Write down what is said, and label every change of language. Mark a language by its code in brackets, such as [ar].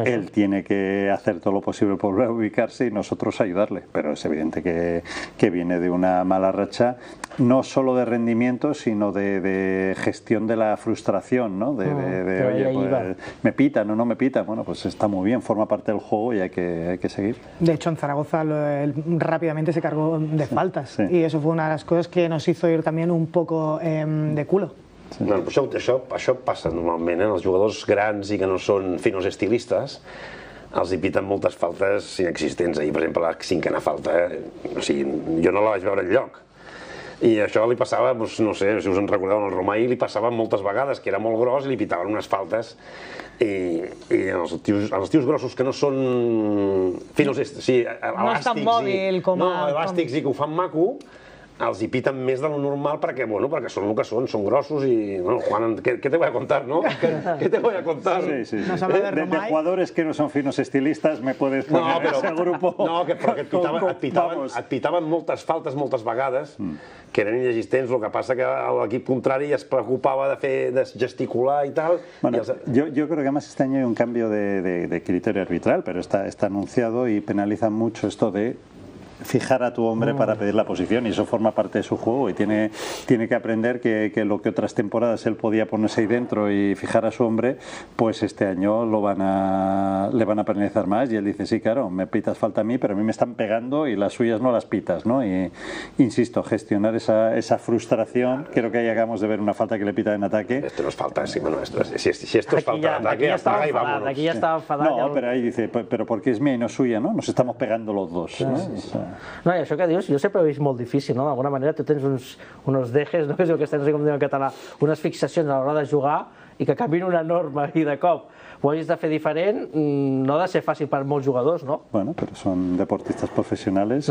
[es] Él tiene que hacer todo lo posible por reubicarse y nosotros ayudarle, pero es evidente que viene de una mala racha, no solo de rendimiento, sino de gestión de la frustración, ¿no? Oye, pues, me pitan o no me pitan, bueno, pues está muy bien, forma parte del juego y hay que seguir. De hecho, en Zaragoza él rápidamente se cargó de faltas, sí. Y eso fue una de las cosas que nos hizo ir también un poco de culo. Sí. [ca] No, això passa normalment, eh? Els jugadors grans i que no són finos estilistes els hi piten moltes faltes inexistents. Ahir, per exemple, la cinquena falta, o sigui, jo no la vaig veure enlloc. I això li passava, doncs, no sé si us en recordeu, al Romà, li passava moltes vegades, que era molt gros i li pitaven unes faltes. I els tios grossos que no són finos estilistes, sí, elàstics i que ho fan maco, els hi piten més de lo normal perquè, bueno, perquè són el que són grossos i, bueno, Juan, [es] ¿qué te voy a contar, no? [ca] ¿Qué te voy a contar? Sí, sí, sí. [es] De jugadores que no son finos estilistas me puedes poner en ese grupo. [ca] No, però que et pitaven moltes faltes moltes vegades, que eren inexistents, el que passa que l'equip contrari es preocupava de fer, de gesticular i tal. [es] Bueno, yo creo que además este año hay un cambio de criterio arbitral, pero está anunciado y penaliza mucho esto de fijar a tu hombre para pedir la posición, y eso forma parte de su juego, y tiene que aprender que lo que otras temporadas él podía ponerse ahí dentro y fijar a su hombre, pues este año le van a penalizar más, y él dice, sí, claro, me pitas falta a mí, pero a mí me están pegando y las suyas no las pitas, ¿no? Y insisto, gestionar esa frustración, creo que ahí acabamos de ver una falta que le pita en ataque. Esto nos falta, sí, bueno, esto es falta ya, de ataque, aquí ya estaba enfadado. No, pero ahí dice, pero porque es mía y no suya, ¿no? Nos estamos pegando los dos, ¿no? Sí, sí. [ca] No, i això que dius, jo sempre ho he vist molt difícil, no? D'alguna manera tu tens uns dejes, no? Que és el que estàs dient en català, unes fixacions a l'hora de jugar i que canviïn una norma i de cop ho hagis de fer diferent, no ha de ser fàcil per molts jugadors, no? Bueno, però són deportistes professionals.